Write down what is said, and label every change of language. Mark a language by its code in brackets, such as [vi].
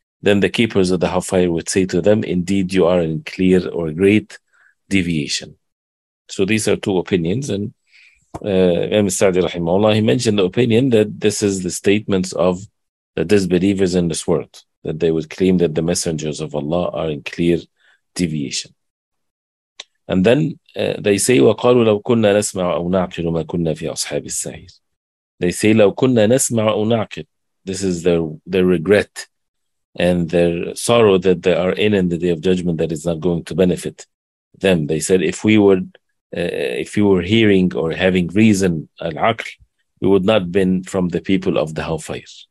[en] Then the keepers of the hellfire would say to them, indeed, you are in clear or great deviation. So these are two opinions. And Imam al-Sa'di rahimahullah, he mentioned the opinion that this is the statements of the disbelievers in this world, that they would claim that the messengers of Allah are in clear deviation. And then they say, [ar] وَقَالُوا لَوْ كُنَّا نَسْمَعُ أَوْ نَعْقِلُ مَا كُنَّا فِي أَصْحَابِ السَّعِيرِ. [en] They say, [ar] لَوْ كُنَّا نَسْمَعُ أَوْ نَعْقِلُ. [en] This is their regret and their sorrow that they are in the Day of Judgment that is not going to benefit them. They said, if we were hearing or having reason, al-aql, we would not have been from the people of the hellfire.